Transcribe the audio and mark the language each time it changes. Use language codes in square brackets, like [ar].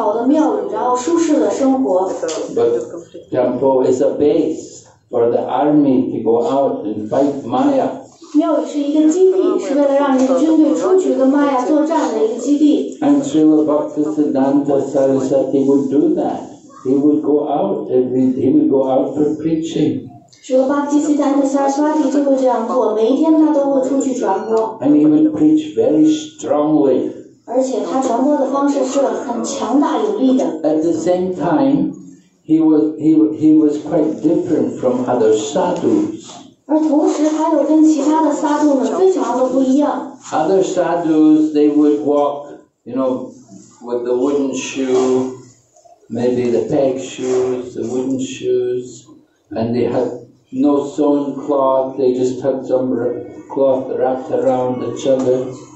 [zh] 我要建立是在一个非常好的庙宇，然后舒适的生活。 [en] But temple is a base for the army to go out and fight Maya. [zh] 庙宇是一个基地，是为了让你的军队出去跟玛雅作战的一个基地。 [en] And Srila Bhaktisiddhanta Sarasvati would do that. He would go out every day. He would go out for preaching. [zh] 说巴基斯坦的萨斯瓦提就会这样做，每一天他都会出去传播。 [en] And he would preach very strongly. [zh] 而且他传播的方式是很强大有力的。 [en] At the same time, he was quite different from other sadhus. [zh] 而同时，他又跟其他的萨杜们非常的不一样。 [en] Other sadhus, they would walk, you know, with the wooden shoe, maybe the peg shoes, the wooden shoes, and they had no sewn cloth, they just had some cloth wrapped around each other.